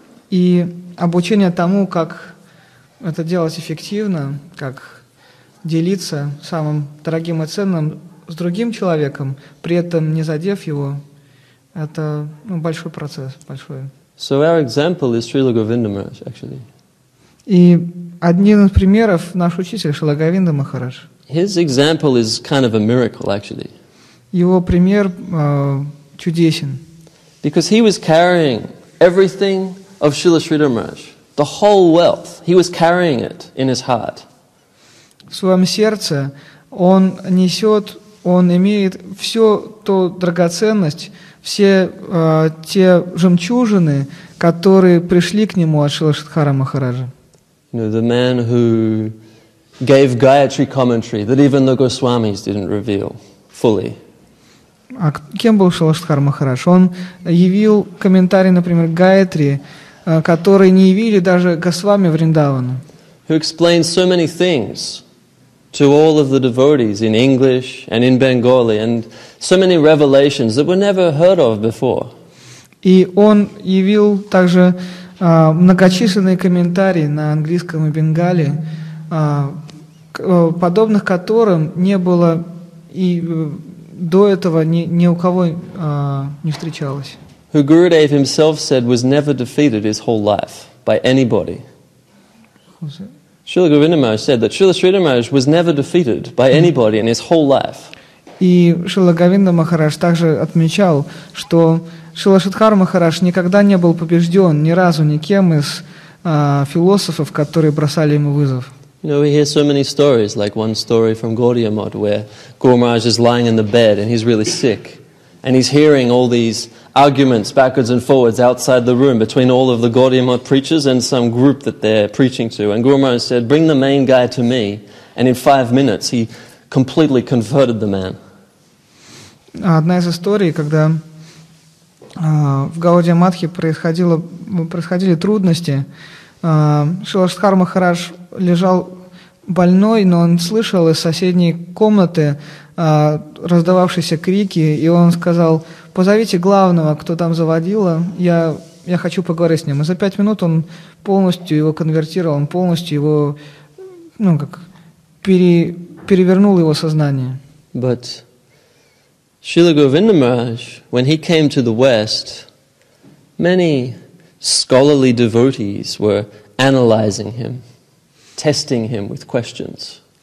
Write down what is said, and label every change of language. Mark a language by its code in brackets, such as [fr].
[ru] И обучение тому, как это делать эффективно, как делиться самым дорогим и ценным с другим человеком, при этом не задев его, это большой процесс, большой. [en] So our example is Srila Govinda Maharaj, actually. [ru] И один из примеров наш учитель Шрила Говинда Махарадж. [en] His example is kind of a miracle, actually. [ru] Его пример чудесен. [en] Because he was carrying everything of Srila Sridhara Maharaj, the whole wealth, he was carrying it in his heart. [ru] В своем сердце он несет он имеет всю ту драгоценность, все те жемчужины, которые пришли к нему от Шрилы Шридхара Махараджа. [en] You know, the man who gave Gayatri commentary that even the Goswamis didn't reveal fully. [ru] А кем был Шрила Шридхара Махарадж? Он явил комментарий, например, Гаятри, который не явили даже Госвами Вриндавану. [en] Who explained so many things to all of the devotees in English and in Bengali, and so many revelations that were never heard of before. [ru] И он явил также многочисленные комментарии на английском и бенгали, подобных которым не было и до этого ни у кого не встречалось. [en] Who Gurudev himself said was never defeated his whole life by anybody. Srila Govinda Maharaj said that Srila Sridhar Maharaj was never defeated by anybody in his whole life. [ru] И Шрила Говинда Махарадж также отмечал, что Шрила Шридхара Махарадж никогда не был побежден ни разу никем из философов, которые бросали ему вызов. [en] You know, we hear so many stories, like one story from Gaudiya Math, where Guru Maharaj is lying in the bed and he's really sick, and he's hearing all these arguments backwards and forwards outside the room between all of the Gaudiya Math preachers and some group that they're preaching to. And Guru Maharaj said, "Bring the main guy to me," and in 5 minutes he completely converted the man. [ru] Одна из историй, когда в Гаудия Матхе происходили трудности, Шрила Шридхара Махарадж лежал больной, но он слышал из соседней комнаты раздававшиеся крики, и он сказал: «Позовите главного, кто там заводила, я хочу поговорить с ним». И за 5 минут он полностью его конвертировал, он полностью его, ну как, перевернул его сознание. [en] But Srila Govinda Maharaj, when he came to the West, many scholarly devotees were analyzing him, testing him with questions.